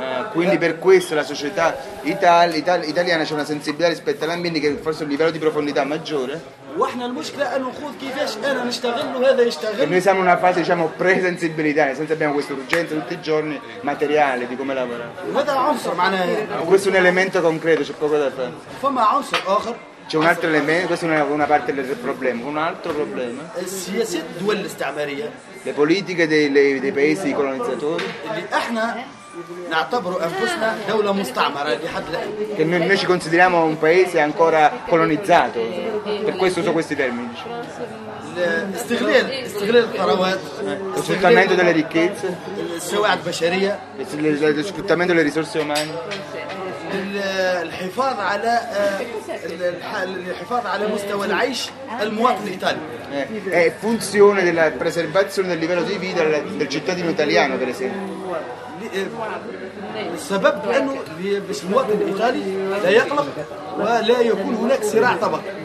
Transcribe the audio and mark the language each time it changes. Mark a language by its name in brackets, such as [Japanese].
[Italian] Quindi per questo la società italiana c'è una sensibilità rispetto all'ambiente che forse è un livello di profondità maggiore. [Arabic] واحنا المشكلة انه نخوذ كيفاش انا نشتغل وهذا يشتغل. [Italian] Noi siamo una fase diciamo pre-sensibilità, senza abbiamo questa urgenza tutti i giorni materiale di come lavorare. [Arabic] وهذا عنصر معناه. [Italian] Questo è un elemento concreto, c'è poco da fare. [Arabic] فما عنصر اخر. [Italian] C'è un altro elemento, questa è una parte del problema, un altro problema. [Arabic] السياسات الدول الاستعمارية. [Italian] Le politiche dei paesi colonizzatori. [Arabic] اللي احنا نعتبر انفسنا دوله مستعمره لحد الان [Italian] che noi ci consideriamo un paese ancora colonizzato per questo uso questi termini [Arabic] استغلال الثروات [Italian] sfruttamento delle ricchezze [Arabic] السواد البشريه [Italian] sfruttamento delle risorse umane [Arabic] الحفاظ على الحفاظ على مستوى العيش المواطن الايطالي [Italian] è funzione della preservazione del livello di vita del cittadino italiano per esempio [Arabic] السبب لانه باش المواطن الايطالي لا يقلق ولا يكون هناك صراع طبق